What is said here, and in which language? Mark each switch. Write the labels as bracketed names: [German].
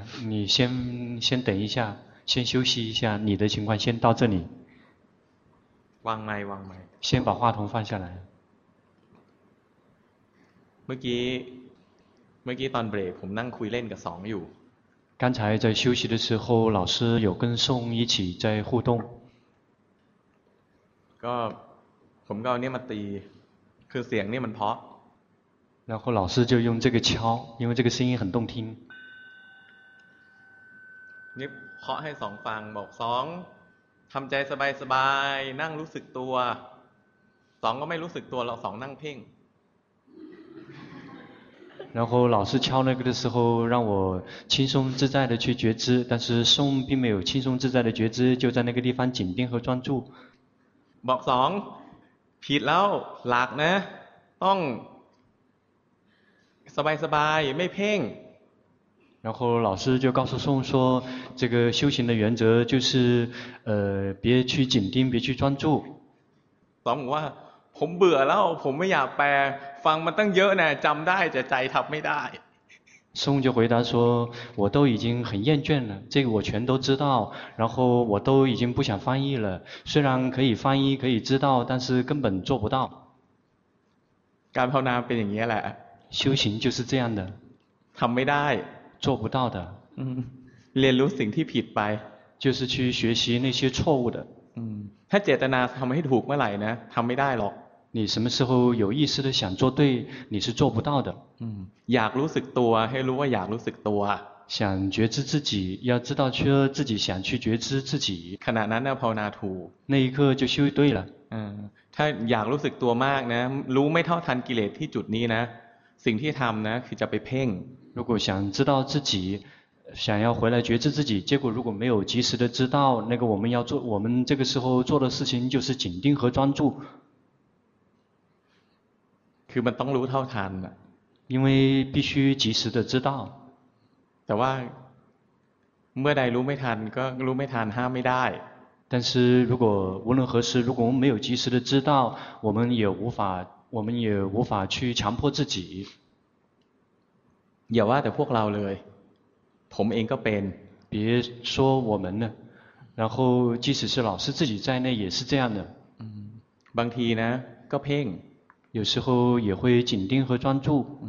[Chinese] 你先等一下先休息一下你的情况先到这里忘麦先把话筒放下来 [Thai] เมื่อกี้ตอนเบรกผมนั่งคุยเล่นกับสองอยู่ [Chinese] 刚才在休息的时候老师有跟宋一起在互动 [Thai] ก็ผมก็เอาเนี่ยมาตีคือเสียงเนี่ยมันเพาะ [Chinese] 然后老师就用这个敲因为这个声音很动听 [Thai] นี่เคาะให้สองฟังบอกสองทำใจสบายๆนั่งรู้สึกตัวสองก็ไม่รู้สึกตัวเราสองนั่งเพ่ง [Chinese] 然后老师敲那个的时候让我轻松自在的去觉知但是宋并没有轻松自在的觉知就在那个地方紧盯和专注 [Thai] บอกสองผิดแล้วหลักนะต้องสบายๆไม่เพ่ง [Chinese] 然后老师就告诉宋说这个修行的原则就是别去紧盯别去专注 [Thai] สองว่าผมเบื่อแล้วผมไม่อยากแปลฟังมันตั้งเยอะน่ะจำได้แต่ใจทำไม่ได้ [Chinese] 宋就回答说我都已经很厌倦了这个我全都知道然后我都已经不想翻译了虽然可以翻译可以知道但是根本做不到 [Thai] การภาวนาเป็นอย่างนี้แหละ [Chinese] 修行就是这样的 [Thai] ทำไม่ได้ [Chinese] 做不到的 [Thai] เรียนรู้สิ่งที่ผิดไป [Chinese] 就是去学习那些错误的 [Thai] ถ้าเจตนาทำให้ถูกเมื่อไหร่นะทำไม่ได้หรอก [Chinese] 你什么时候有意识的想做对你是做不到的 [Thai] อยากรู้สึกตัวให้รู้ว่าอยากรู้สึกตัว [Chinese] 想觉知自己要知道去自己想去觉知自己 [Thai] ขณะนั้นนะภาวนาถูก [Chinese] 那一刻就修对了 [Thai] ถ้าอยากรู้สึกตัวมากนะรู้ไม่เท่าทันกิเลสที่จุดนี้นะสิ่งที่ทำนะคือจะไปเพ่ง [Chinese] 如果想知道自己想要回来觉知自己，结果如果没有及时的知道，那个我们要做，我们这个时候做的事情就是紧盯和专注。 [Thai] คือมันต้องรู้เท่าทันอ่ะ [Chinese] 因为必须及时的知道。 [Thai] แต่ว่าเมื่อใดรู้ไม่ทันก็รู้ไม่ทันห้ามไม่ได้ [Chinese] 但是如果无论何时，如果我们没有及时的知道，我们也无法，我们也无法去强迫自己。 [Thai] อย่าว่าแต่พวกเราเลย，ผมเองก็เป็น。 [Chinese] 别说我们呢，然后即使是老师自己在内也是这样的。 [Thai] บางทีนะก็เพ่ง， [Chinese] 有时候也会紧盯和专注。